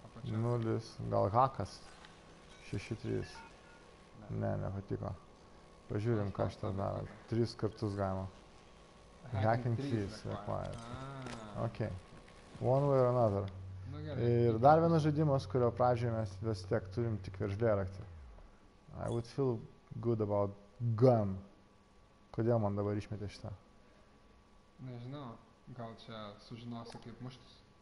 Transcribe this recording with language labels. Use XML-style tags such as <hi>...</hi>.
<lt>0, gal hakas. 6, 3. Ne, nepatiko. Pažiūrim, ką šitą daro. 3 kartus galima.</lt> <en>Hacking 3 required. Ok. One way or another.</en> <lt>Ir dar vienas žaidimas, kurio pradžioje mes vis tiek turim tik veržlėraktį.</lt> <en>I would feel good about gun.</en> <lt>Kodėl man dabar išmetė šitą? Nežinau. Gal čia sužinosi kaip muštis?</lt>